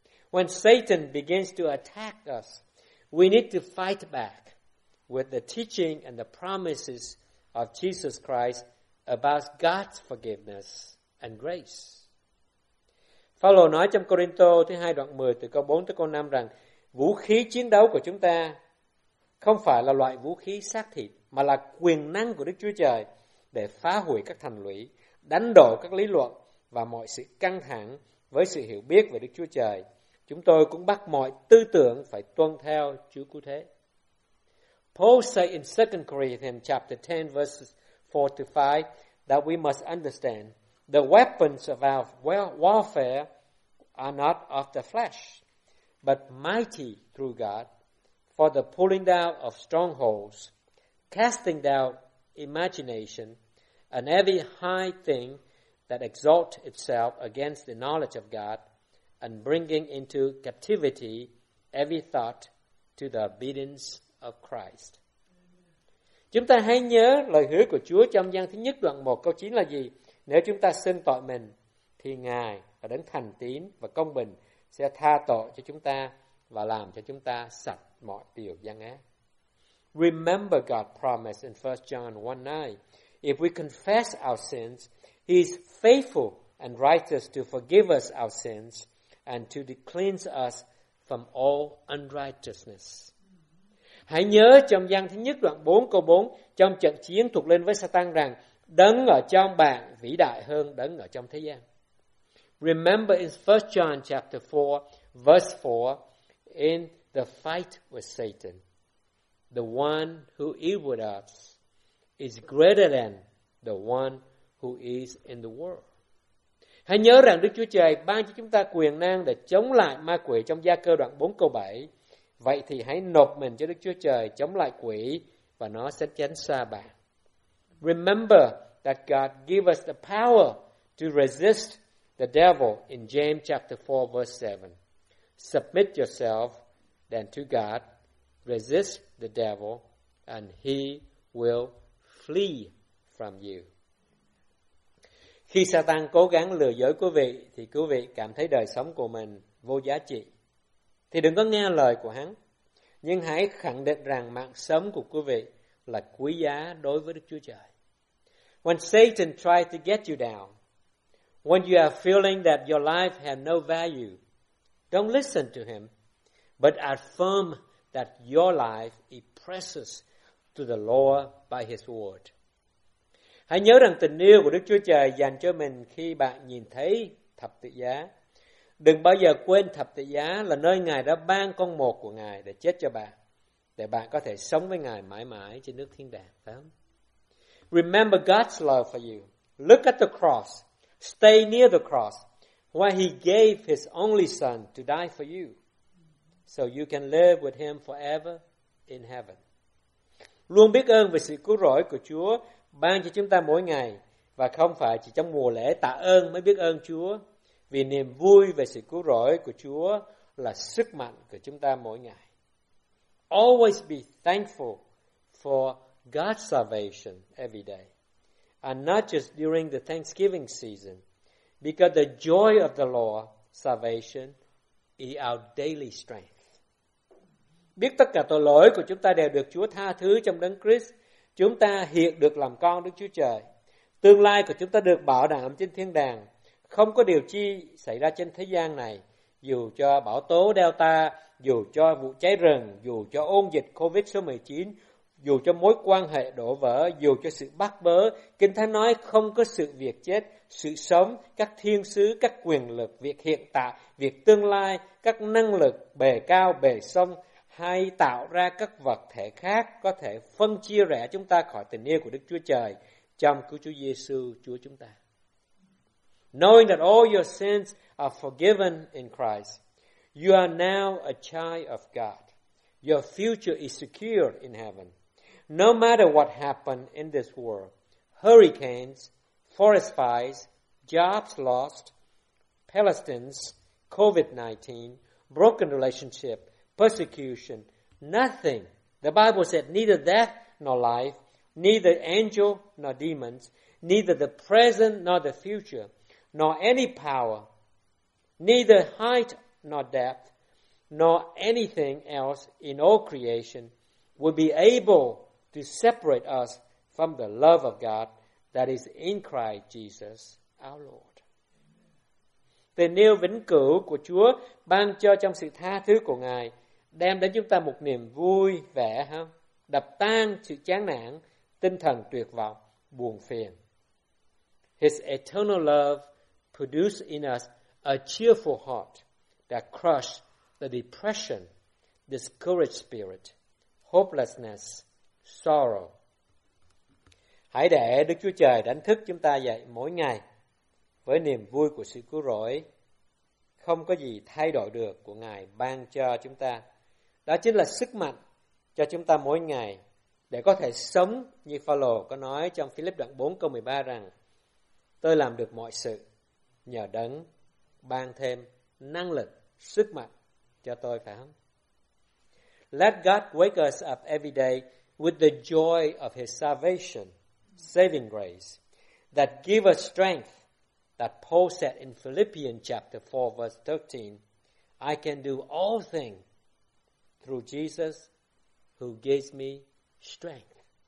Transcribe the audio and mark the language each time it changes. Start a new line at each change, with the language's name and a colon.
English: When Satan begins to attack us, we need to fight back with the teaching and the promises of Jesus Christ about God's forgiveness and grace.
Vietnamese: Phaolô nói trong Côrintô thứ 2 đoạn 10 từ câu 4 tới câu 5 rằng vũ khí chiến đấu của chúng ta không phải là loại vũ khí xác thịt mà là quyền năng của Đức Chúa Trời để phá hủy các thành lũy, đánh đổ các lý luận và mọi sự căng thẳng với sự hiểu biết về Đức Chúa Trời. Chúng tôi cũng bắt mọi tư tưởng phải tuân theo Chúa cứu thế.
English: Paul said in 2 Corinthians chapter 10 verses 4 to 5 that we must understand the weapons of our warfare are not of the flesh, but mighty through God for the pulling down of strongholds, casting down imagination and every high thing that exalts itself against the knowledge of God, and bringing into captivity every thought to the obedience of Christ.
Vietnamese: Chúng ta hãy nhớ lời hứa của Chúa trong Giăng thứ nhất đoạn 1 câu 9 là gì? Nếu chúng ta xưng tội mình thì Ngài là đấng thành tín và công bình sẽ tha tội cho chúng ta và làm cho chúng ta sạch mọi điều gian ác.
English: Remember God's promise in 1 John 1:9. If we confess our sins, He is faithful and righteous to forgive us our sins and to cleanse us from all unrighteousness.
Vietnamese: Hãy nhớ trong Giăng thứ nhất đoạn 4 câu 4 trong trận chiến thuộc linh với Satan rằng đấng ở trong bạn vĩ đại hơn đấng ở trong thế gian.
English: Remember in 1 John chapter 4 verse 4 in the fight with Satan, the one who is with us is greater than the one who is in the world.
Vietnamese: Hãy nhớ rằng Đức Chúa Trời ban cho chúng ta quyền năng để chống lại ma quỷ trong Gia Cơ đoạn 4 câu 7. Vậy thì hãy nộp mình cho Đức Chúa Trời chống lại quỷ và nó sẽ tránh xa bạn.
English: Remember that God gave us the power to resist the devil in James chapter 4 verse 7. Submit yourself then to God, resist the devil, and he will flee from you.
Vietnamese: Khi Satan cố gắng lừa dối quý vị, thì quý vị cảm thấy đời sống của mình vô giá trị. Thì đừng có nghe lời của hắn, nhưng hãy khẳng định rằng mạng sống của quý vị là quý giá đối với Đức Chúa Trời.
English: When Satan tries to get you down, when you are feeling that your life has no value, don't listen to him, but affirm that your life is precious to the Lord by his word.
Vietnamese: Hãy nhớ rằng tình yêu của Đức Chúa Trời dành cho mình khi bạn nhìn thấy thập tự giá. Đừng bao giờ quên thập tự giá là nơi Ngài đã ban con một của Ngài để chết cho bạn, để bạn có thể sống với Ngài mãi mãi trên nước thiên đàng. Phải không?
English: Remember God's love for you. Look at the cross. Stay near the cross where he gave his only son to die for you so you can live with him forever in heaven.
Vietnamese: Luôn biết ơn về sự cứu rỗi của Chúa ban cho chúng ta mỗi ngày, và không phải chỉ trong mùa lễ tạ ơn mới biết ơn Chúa, vì niềm vui về sự cứu rỗi của Chúa là sức mạnh của chúng ta mỗi ngày.
English: Always be thankful for God's salvation every day, and not just during the Thanksgiving season, because the joy of the Lord's salvation is our daily strength.
Vietnamese: biết tất cả tội lỗi của chúng ta đều được Chúa tha thứ trong Đấng Christ, chúng ta hiện được làm con Đức Chúa Trời. Tương lai của chúng ta được bảo đảm trên thiên đàng, không có điều chi xảy ra trên thế gian này, dù cho bão tố Delta, dù cho vụ cháy rừng, dù cho ôn dịch COVID số 19, dù cho mối quan hệ đổ vỡ, dù cho sự bắt bớ. Kinh Thánh nói không có sự việc chết, sự sống, các thiên sứ, các quyền lực, việc hiện tại, việc tương lai, các năng lực bề cao, bề sông, hay tạo ra các vật thể khác có thể phân chia rẽ chúng ta khỏi tình yêu của Đức Chúa Trời trong Cứu Chúa Giê-xu, Chúa chúng ta.
English: Knowing that all your sins are forgiven in Christ, you are now a child of God. Your future is secure in heaven. No matter what happened in this world, hurricanes, forest fires, jobs lost, Palestinians, COVID-19, broken relationship, persecution, nothing. The Bible said neither death nor life, neither angel nor demons, neither the present nor the future, nor any power, neither height nor depth, nor anything else in all creation will be able to separate us from the love of God that is in Christ Jesus our Lord.
Vietnamese: Tình yêu vĩnh cửu của Chúa ban cho trong sự tha thứ của Ngài đem đến chúng ta một niềm vui vẻ ha, đập tan sự chán nản, tinh thần tuyệt vọng, buồn phiền.
English: His eternal love produced in us a cheerful heart that crushed the depression, discouraged spirit, hopelessness, sorrow.
Vietnamese: Hãy để Đức Chúa Trời đánh thức chúng ta dậy mỗi ngày với niềm vui của sự cứu rỗi, không có gì thay đổi được của Ngài ban cho chúng ta. Đó chính là sức mạnh cho chúng ta mỗi ngày để có thể sống như Phaolô có nói trong Philip đoạn 4 câu 13 rằng tôi làm được mọi sự nhờ Đấng ban thêm năng lực, sức mạnh cho tôi, phải không?
English: Let God wake us up every day with the joy of His salvation, saving grace, that give us strength, that Paul said in Philippians chapter 4, verse 13, I can do all things through Jesus who gives me strength.